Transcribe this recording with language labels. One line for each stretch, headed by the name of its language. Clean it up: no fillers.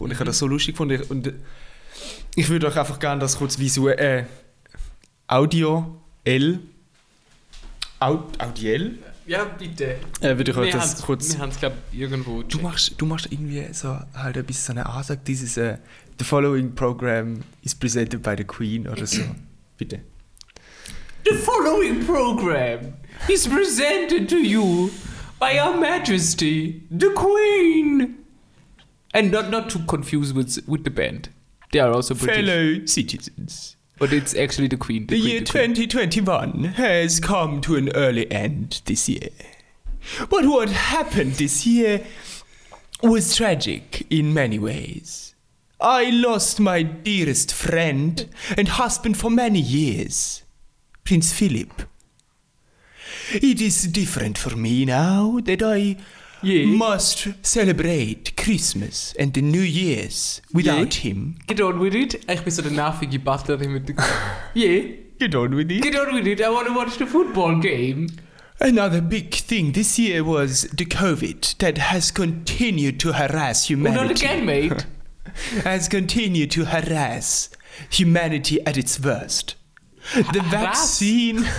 German: Und ich habe das so lustig gefunden. Ich würde euch einfach gerne das kurz visuell... Audiell? Ja, bitte. Würde ich euch das kurz... Wir haben es, glaube ich, irgendwo... Du machst irgendwie so halt ein bisschen so eine Ansage. Dieses
English: The following program is presented by the Queen
German: oder so. Bitte.
English: The following program is presented to you by Her Majesty, the Queen. And not to confuse with the band. They are also British. Fellow citizens. But it's actually the Queen. The year 2021 has come to an early end this year. But what happened this year was tragic in many ways. I lost my dearest friend and husband for many years, Prince Philip. It is different for me now that I must celebrate Christmas and the New Year's without him. Get on with it.
German: Ich bin so der nervige Butler mit dem.
English: Yeah. Get on with it. Get on with it. I want to watch the football game. Another big thing this year was the COVID that has continued to harass humanity. Not again, mate. Has continued to harass humanity at its worst. The vaccine.